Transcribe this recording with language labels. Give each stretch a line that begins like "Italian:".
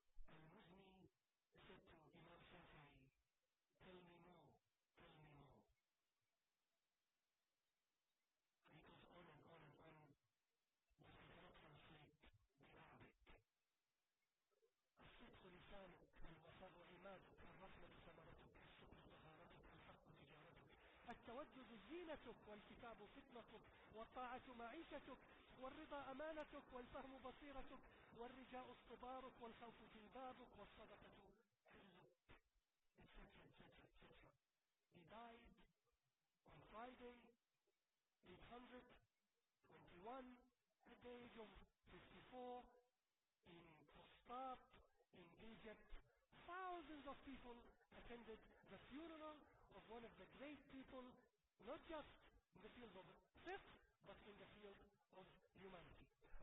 English: And Muzni said to Imam Shafi'i, tell me more, tell me more. And he goes on and on and on, but he cannot translate the Arabic.
Arabic: الصدق لسانك الوفاء عمادك الرحمة ثمرتك الشكر طهارتك الحق تجارتك التودد زينتك والكتاب فطنتك والطاعة معيشتك والرضا أمانتك والفهم بصيرتك والرجاء اصطبارك والخوف جلبابك والصدقة حلك etc.
English: He died on Friday 821 at the age of Egypt, thousands of people attended the funeral of one of the great people, not just in the field of fiqh, but in the field of humanity.